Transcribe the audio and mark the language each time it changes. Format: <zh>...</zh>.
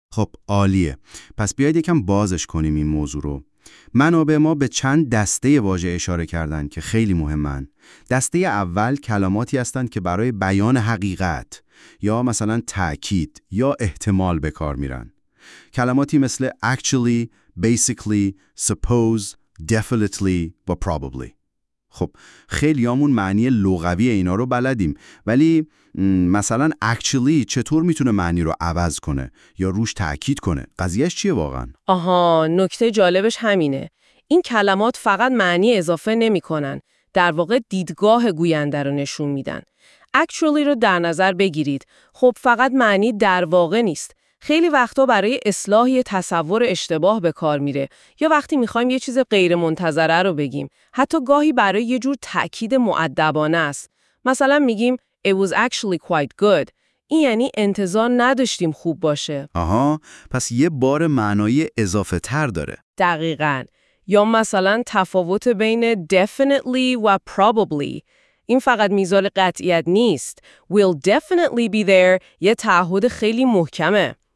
<fa>خب عالیه. پس بیاید یکم بازش کنیم این موضوع رو. منابع ما به چند دسته واژه اشاره کردن که خیلی مهمن. دسته اول کلماتی هستند که برای بیان حقیقت یا مثلا تأکید یا احتمال به کار میرن. کلماتی مثل</fa> <en>actually, basically, suppose, definitely و probably.</en> <fa>خب خیلی همون معنی لغوی اینا رو بلدیم، ولی مثلا actually چطور میتونه معنی رو عوض کنه یا روش تأکید کنه؟ قضیهش چیه واقعا؟ آها، نکته جالبش همینه. این کلمات فقط معنی اضافه نمی کنن. در واقع دیدگاه گوینده رو نشون میدن. actually رو در نظر بگیرید. خب فقط معنی در واقع نیست. خیلی وقتا برای اصلاح یه تصور اشتباه به کار میره، یا وقتی میخوایم یه چیز غیر منتظره رو بگیم. حتی گاهی برای یه جور تأکید مؤدبانه است. مثلا میگیم</fa> <en>It was actually quite good.</en> <fa>این یعنی انتظار نداشتیم خوب باشه. آها، پس یه بار معنایی اضافه تر داره. دقیقاً. یا مثلا تفاوت بین definitely و probably. این فقط میزان قطعیت نیست.</fa> <en>We'll definitely be there</en> <fa>یه تعهد خیلی محکمه.</fa>